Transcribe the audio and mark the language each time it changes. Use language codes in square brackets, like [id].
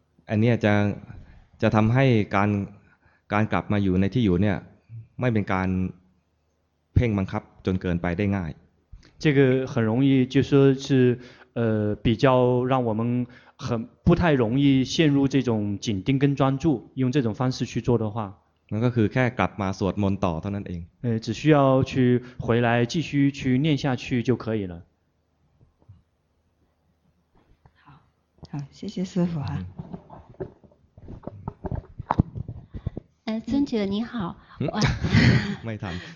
[th] อันนี้จะทำให้การกลับมาอยู่ในที่อยู่เนี่ยไม่เป็นการเพ่งบังคับจนเกินไปได้ง่าย [zh] 这个很容易就是说是比较让我们很不太容易陷入这种紧盯跟专注，用这种方式去做的话，那就是 [th] แค่กลับมาสวดมนต์ต่อเท่านั้นเอง。 [zh] 只需要去回来继续去念下去就可以了。好，谢谢师父啊。尊者你好，没谈，